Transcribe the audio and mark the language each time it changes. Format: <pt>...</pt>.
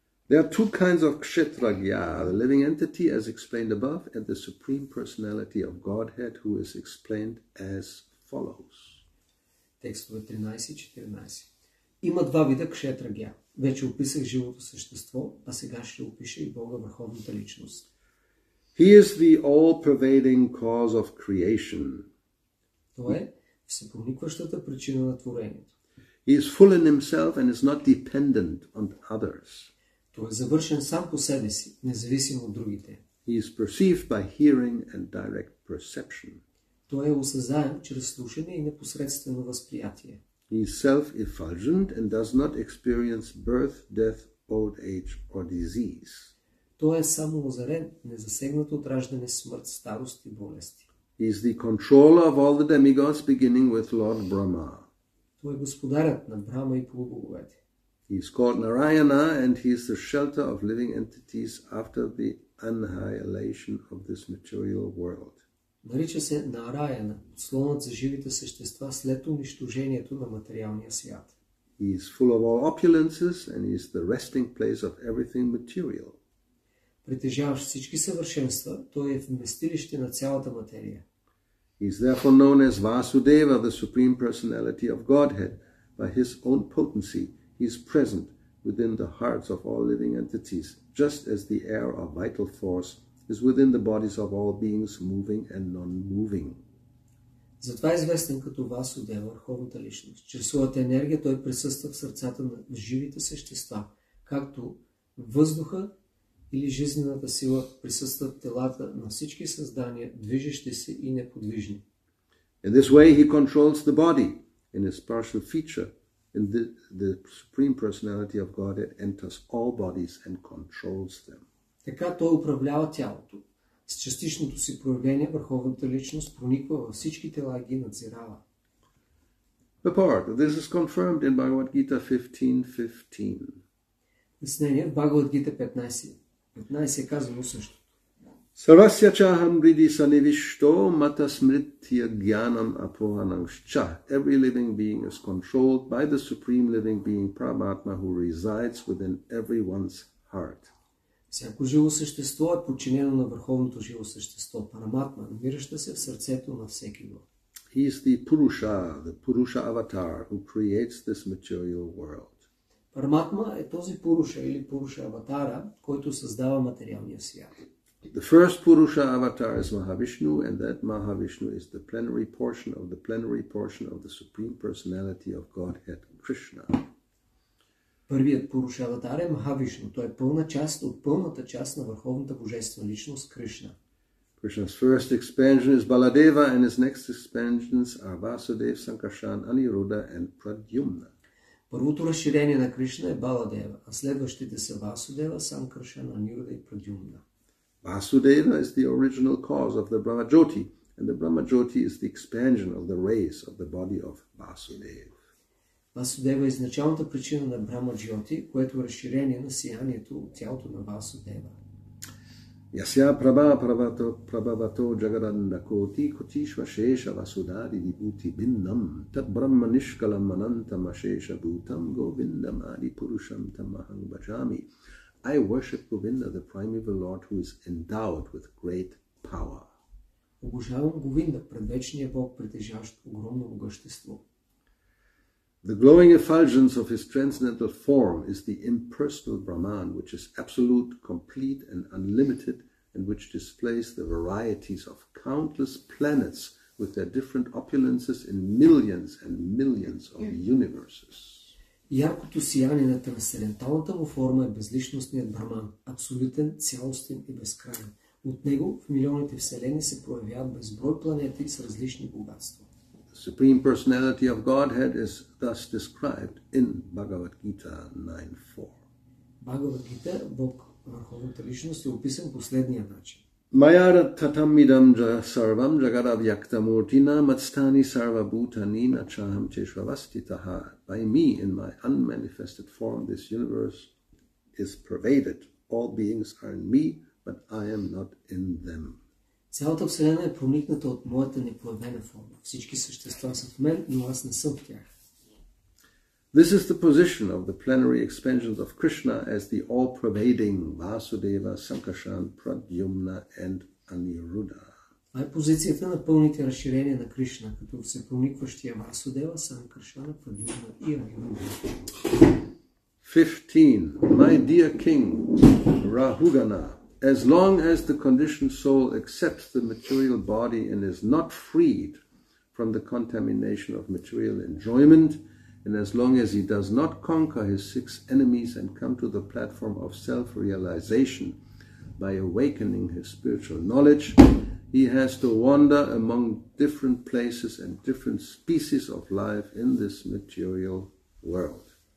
<en>There are two kinds of kshetragya, the living entity as explained above, and the Supreme Personality of Godhead, who is explained as follows.</en> <bg>Текстове 13 и 14. Има два вида кшетрагя. Вече описах живото същество, а сега ще опиша и Бога върховната личност.</bg> <en>He is the all-pervading cause of creation.</en> <bg>Той е всепроникващата причина на творението.</bg> <en>He is full in himself and is not dependent on others.</en> <bg>Той е завършен сам по себе си, независимо от другите.</bg> <en>He is perceived by hearing and direct perception.</en> <bg>Той е осъзнаем чрез слушане и непосредствено възприятие.</bg> <en>He is self-effulgent and does not experience birth, death, old age or disease.</en> <bg>Той е самоозарен, незасегнат от раждане, смърт, старост и болести.</bg> <en>He is the controller of all the demigods, beginning with Lord Brahma.</en> <bg>Той е господарят на Брама и полубоговете.</bg> <en>He is called Narayana and he is the shelter of living entities after the annihilation of this material world.</en> <bg>Нарича се Нараяна, слонът за живите същества след унищожението на материалния свят.</bg> <en>He is full of all opulences and is the resting place of everything material.</en> <bg>Притежаващ всички съвършенства, той е вместилище на цялата материя.</bg> <en>He is therefore known as Vasudeva, the Supreme Personality of Godhead. By his own potency, he is present within the hearts of all living entities, just as the air of vital force is within the bodies of all beings, moving and non-moving.</en> <bg>Затова е известен като Васудева, върховната личност. Чрез своята енергия той присъства в сърцата на живите същества, както въздуха или жизнената сила присъства в телата на всички създания, движещи се и неподвижни.</bg> <en>In this way he controls the body. In his partial feature, in the Supreme Personality of God, it enters all bodies and controls them.</en> <bg>Така той управлява тялото. С частичното си проявление върховната личност прониква във всички тела и ги надзирава.</bg> <en>Purport. This is confirmed in Bhagavad Gita 15:15.</en> <bg>В Бхагавад Гита 15:15 е казано също.</bg> <sa>Sarvasya chaham ridhi sannivishto mata smritya gyanam apohanamscha.</sa> <en>Every living being is controlled by the Supreme Living Being Paramatma who resides within everyone's heart.</en> <bg>Всяко живо същество е подчинено на върховното живо същество, параматма, намираща се в сърцето на всеки го.</bg> <en>He is the Purusha avatar, who creates this material world.</en> <bg>Параматма е този Пуруша или Пуруша аватара, който създава материалния свят.</bg> <en>The first Purusha avatar is Mahavishnu, and that Mahavishnu is the plenary portion of the plenary portion of the Supreme Personality of Godhead, Krishna.</en> <bg>Първият Пуруша аватар е Махавишну. Той е пълна част от пълната част на върховната божествена личност Кришна.</bg> <en>Krishna's first expansion is Baladeva and his next expansions are Vasudev, Sankarshan, Aniruddha and Pradyumna.</en> <bg>Първото разширение на Кришна е Баладева, а следващите са Васудева, Санкаршан, Анируддха и Прадюмна.</bg> <en>Vasudeva is the original cause of the Brahma Jyoti and the Brahma Jyoti is the expansion of the rays of the body of Vasudeva.</en> <bg>Васудева е изначалната причина на Брама Джиоти, което е разширение на сиянието от тялото на Васудева.</bg> <sa>Ясия прабавато джагараннакоти кутишва шеша васудари вибути биннам тат брамма нишкалам манантам ашеша бутам говиндам ади пурушам тамахам баджами.</sa> <en>I worship Govinda, the primeval Lord, who is endowed with great power.</en> <bg>Обожавам Говинда, предвечния Бог, притежащ огромно могъщество.</bg> <en>The glowing effulgence of his transcendental form is the impersonal Brahman, which is absolute, complete and unlimited, and which displays the varieties of countless planets with their different opulences in millions and millions of universes.</en> <bg>Яркото сияние на трансценденталната му форма е безличностният Брахман, абсолютен, цялостен и безкрайен. От него в милионите вселени се проявяват безброй планети с различни богатства.</bg> <en>Supreme Personality of Godhead is thus described in Bhagavad Gita 9.4.</en> <bg>Bhagavad Gita, Бог, върховната личност, е описан последния начин.</bg> <sa>Mayara tatamidam sarvam jagadavyakta murtina matstani sarvabhutani nachaham cheshvavastitaha.</sa> <en>By me, in my unmanifested form, this universe is pervaded. All beings are in me, but I am not in them.</en> <bg>Цялата вселена е проникната от моята неплавена форма. Всички същества са в мен, но аз не съм в тях.</bg> <en>This is the position of the plenary expansions of Krishna as the all-pervading Vasudeva, Sankarshan, Pradyumna and Aniruddha.</en> <bg>Това е позицията на пълните разширения на Кришна, като всепроникващия Васудева, Санкаршана, Прадюмна и Анируддха.</bg> <en>15. My dear King, Rahugana, as long as the conditioned soul accepts the material body and is not freed from the contamination of material enjoyment, and as long as he does not conquer his six enemies and come to the platform of self-realization by awakening his spiritual knowledge, he has to wander among different places and different species of life in this material world.</en>